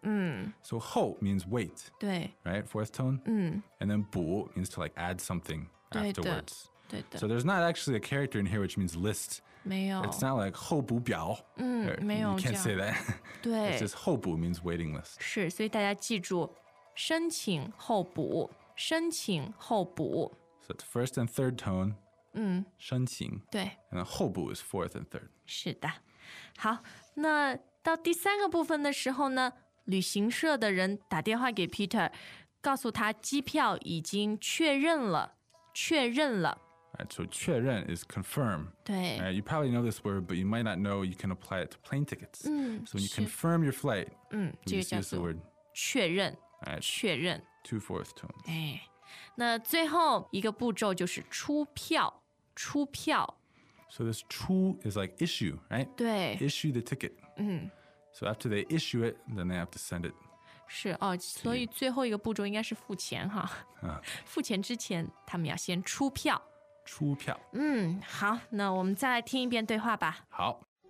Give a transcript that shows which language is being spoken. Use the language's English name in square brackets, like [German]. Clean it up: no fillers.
[English] 嗯。 So 候 means wait. [Chinese] 对。 [English] Right, fourth tone? 嗯。 And then 补 means to like add something [Chinese] 对的, [English] afterwards. [Chinese] 对的。 [English] So there's not actually a character in here which means list. [Chinese] 没有。 [English] It's not like 候补表。 [Chinese] 嗯,没有。 [English] You can't say that. [Chinese] 对。 [English] It's just 候补 means waiting list. [Chinese] 是,所以大家记住,申请候补,申请候补。 [English] So it's first and third tone. 嗯， [Chinese] 申请对 [English] ，and then 候补 is fourth and third. [Chinese] 是的，好，那到第三个部分的时候呢，旅行社的人打电话给 Peter， 告诉他机票已经确认了，确认了。 [English] Right, so 确认 is confirm. [Chinese] 对 [English] ，right, you probably know this word, but you might not know you can apply it to plane tickets. 嗯，so when you confirm your flight, [Chinese] 嗯，这个叫做 [English] the word [Chinese] 确认， [English] right, [Chinese] 确认 [English] two fourth tones. 哎。 [Chinese] 那最后一个步骤就是出票，出票。 [English] So this 出 is like issue, right? [Chinese] 对。 [English] Issue the ticket. 嗯。 So after they issue it, then they have to send it. [Chinese] 是哦，所以最后一个步骤应该是付钱哈。付钱之前，他们要先出票。出票。嗯，好，那我们再来听一遍对话吧。好。